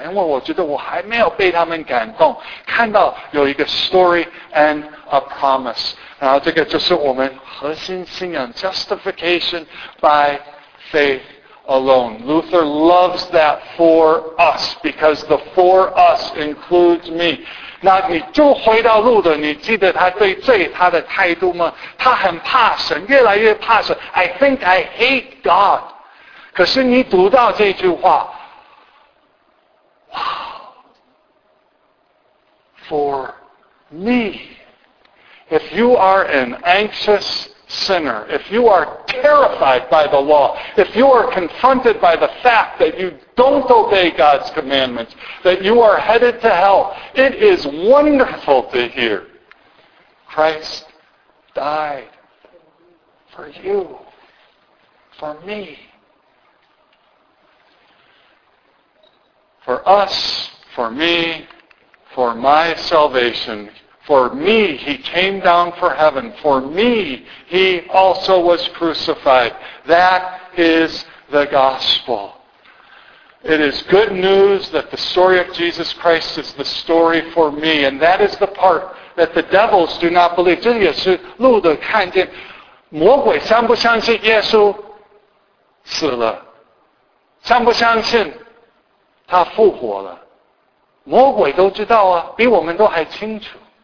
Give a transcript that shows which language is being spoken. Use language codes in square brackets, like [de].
[zh] 因为我觉得我还没有被他们感动，看到有一个 [en] story and a promise， [zh] 然后这个就是我们核心信仰 [en] justification by faith alone。 Luther loves that for us because the for us includes me。 [zh] 那你就回到路德，你记得他对罪他的态度吗？他很怕神，越来越怕神， [en] I think I hate God。可是你读到这句话，哇， for me， if you are an anxious sinner, if you are terrified by the law, if you are confronted by the fact that you don't obey God's commandments, that you are headed to hell, it is wonderful to hear Christ died for you, for me, for us, for me, for my salvation. For me, he came down from heaven. For me, he also was crucified. That is the gospel. It is good news that the story of Jesus Christ is the story for me. And that is the part that the devils do not believe. [zh] 这也是路德看见魔鬼相不相信耶稣死了，相不相信他复活了。魔鬼都知道啊，比我们都还清楚。